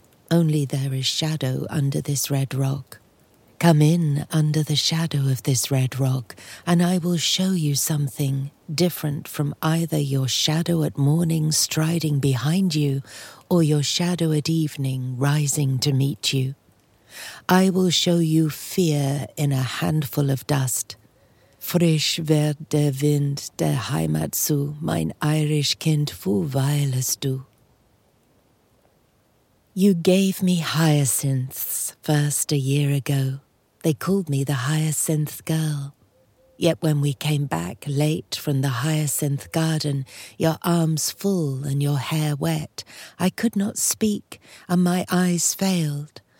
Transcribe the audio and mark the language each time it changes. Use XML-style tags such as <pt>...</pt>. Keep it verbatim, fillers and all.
<en>Only there is shadow under this red rock. Come in under the shadow of this red rock, and I will show you something different from either your shadow at morning striding behind you or your shadow at evening rising to meet you. I will show you fear in a handful of dust.</en> <de>Frisch wird der Wind der Heimat zu, mein Irish Kind, wo weilest du?</de> <en>You gave me hyacinths first a year ago. They called me the hyacinth girl. Yet when we came back late from the hyacinth garden, your arms full and your hair wet, I could not speak and my eyes failed.</en>